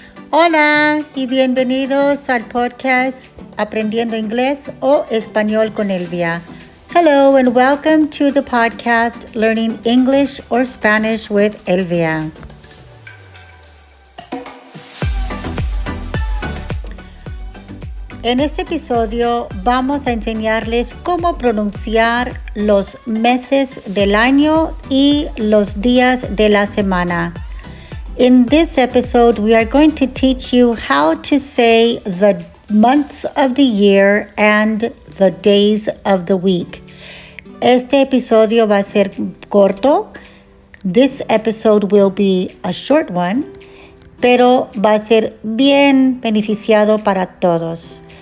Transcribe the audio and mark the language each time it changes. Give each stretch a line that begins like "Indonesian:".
Spanish: Hola y bienvenidos al podcast Aprendiendo Inglés o Español con Elvia.
English: Hello and welcome to the podcast Learning English or Spanish with Elvia.
Spanish: En este episodio vamos a enseñarles cómo pronunciar los meses del año y los días de la semana.
English: In this episode, we are going to teach you how to say the months of the year and the days of the week.
Spanish: Este episodio va a ser corto.
English: This episode will be a short one,
Spanish: pero va a ser bien beneficiado para todos.